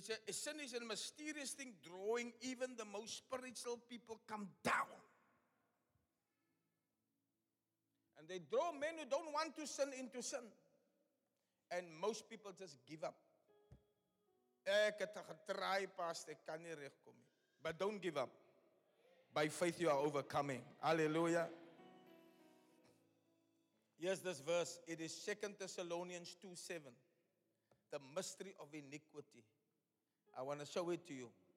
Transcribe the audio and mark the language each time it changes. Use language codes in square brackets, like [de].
[en] Sin is a mysterious thing drawing even the most spiritual people come down. And they draw men who don't want to sin into sin. And most people just give up. [af] Ek het getry, Pastor, ek kan nie regkom nie. [en] But don't give up. By faith you are overcoming. Hallelujah. Here's this verse. It is 2 Thessalonians 2:7. The mystery of iniquity. I want to show it to you.